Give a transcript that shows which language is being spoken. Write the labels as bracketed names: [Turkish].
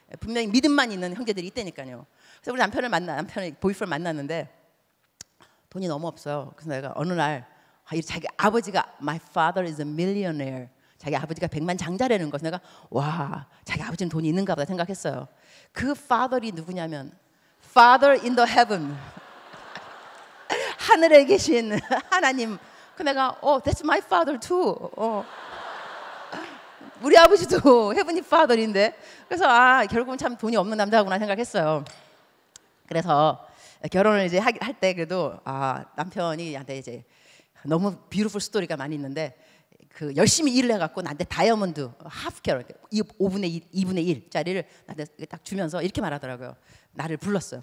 [Korean] 분명히 믿음만 있는 형제들이 있다니까요. 그래서 우리 남편을 만나 남편의 보이프를 만났는데 돈이 너무 없어요. 그래서 내가 어느 날 자기 아버지가 [English] My father is a millionaire. [Korean] 자기 아버지가 백만 장자라는 것을 내가 와 자기 아버지는 돈이 있는가 보다 생각했어요. 그 father이 누구냐면 [English] Father in the heaven. [Korean] 하늘에 계신 하나님. 그래서 내가 [English] oh, that's my father too. [Korean] 우리 아버지도 헤븐이 파더인데 그래서 아 결국은 참 돈이 없는 남자구나 생각했어요. 그래서 결혼을 이제 할 때 그래도 아 남편이 나한테 이제 너무 뷰티풀 스토리가 많이 있는데 그 열심히 일을 해갖고 나한테 다이아몬드 하프 캐럴 5분의 1, 2분의 1 짜리를 나한테 딱 주면서 이렇게 말하더라고요. 나를 불렀어요.